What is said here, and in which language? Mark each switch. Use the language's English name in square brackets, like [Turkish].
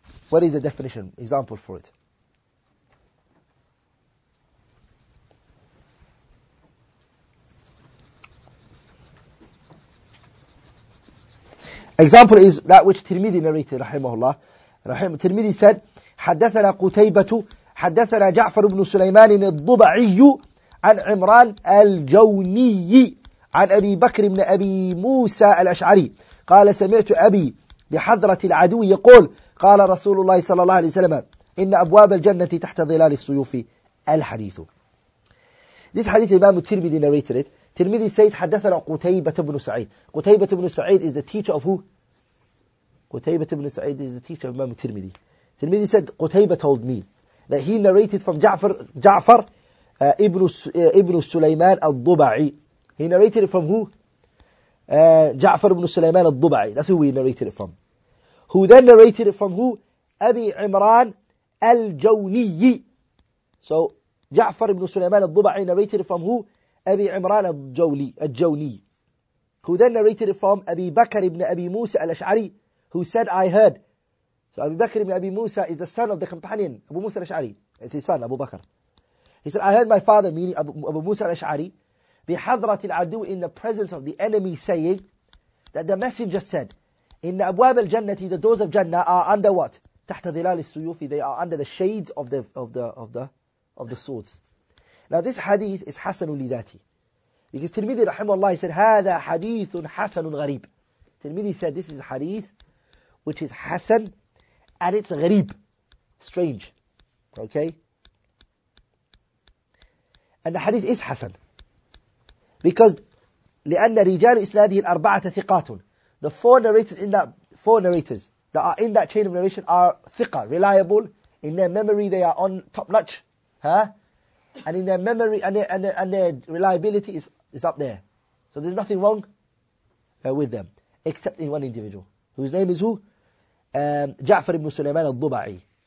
[English] What is the definition, example for it? Example is that which Tirmidhi narrated, rahimahullah. Tirmidhi said, [Arabic] حدثنا قتيبة حدثنا جعفر بن سليمان الضبعي عن عمران الجوني عن أبي بكر بن أبي موسى الأشعري قال سمعت أبي بحضرة العدو يقول قال رسول الله صلى الله عليه وسلم إن أبواب الجنة تحت ظلال السيوف الحديث. [English] This hadith Imam Tirmidhi narrated it. Tirmidhi says, [Arabic] حدثنا قتيبة بن سعيد. [English] قتيبة بن سعيد is the teacher of who? قتيبة بن سعيد is the teacher of Imam Tirmidhi. Tirmidhi said, قتيبة told me that he narrated from Ja'far ibn Sulaiman al-Duba'i. He narrated it from who? Ja'far ibn Sulaiman al-Duba'i. That's who he narrated it from. Who then narrated it from who? Abi Imran al-Jawniyi. So, Ja'far ibn Sulaiman al-Duba'i narrated it from who? أبي عمران الجولي who then narrated it from أبي بكر ابن أبي موسى الأشعري who said I heard. So أبي بكر ابن أبي موسى is the son of the companion أبو موسى الأشعري. It's his son أبو بكر. He said I heard my father meaning أبو موسى الأشعري [Arabic] بحضرة العدو [English] in the presence of the enemy saying that the messenger said [Arabic] إن أبواب الجنة [English] the doors of Jannah are under what? [Arabic] تحت ظلال السيوف. [English] They are under the shades of the swords. Now this hadith is حسن لذاتي. Because Tirmidhi rahimahullah said, [Arabic] هذا حديث حسن غريب. [English] Tirmidhi said, this is a hadith which is حسن and it's غريب. Strange. Okay? And the hadith is حسن. Because [Arabic] لأن رجال إسناده الأربعة ثقات. [English] The four narrators that are in that chain of narration are ثقة, reliable. In their memory they are on top notch. Huh? And in their memory and their reliability is up there. So there's nothing wrong with them. Except in one individual. Whose name is who? Ja'far ibn Sulaiman al-Duba'i.